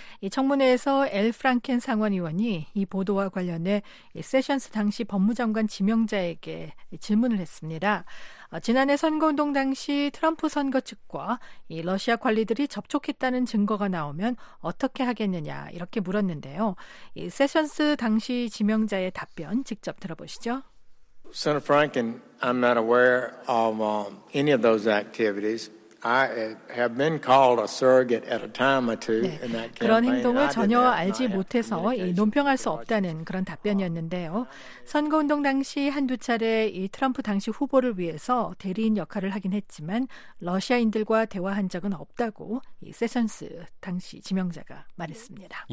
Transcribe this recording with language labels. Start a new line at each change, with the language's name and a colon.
Korean: 이 청문회에서 엘 프랑켄 상원의원이 이 보도와 관련해 세션스 당시 법무장관 지명자에게 질문을 했습니다. 지난해 선거운동 당시 트럼프 선거 측과 이 러시아 관리들이 접촉했다는 증거가 나오면 어떻게 하겠느냐 이렇게 물었는데요. 이 세션스 당시 지명자의 답변 직접 들어보시죠.
English: Senator Franken, I'm not aware of any of those activities. I have been called a surrogate at a time or two in that campaign.
Korean: 그런 행동을 전혀 알지 못해서 논평할 수 없다는 그런 답변이었는데요. 선거운동 당시 한두 차례 이 트럼프 당시 후보를 위해서 대리인 역할을 하긴 했지만 러시아인들과 대화한 적은 없다고 이 세션스 당시 지명자가 말했습니다.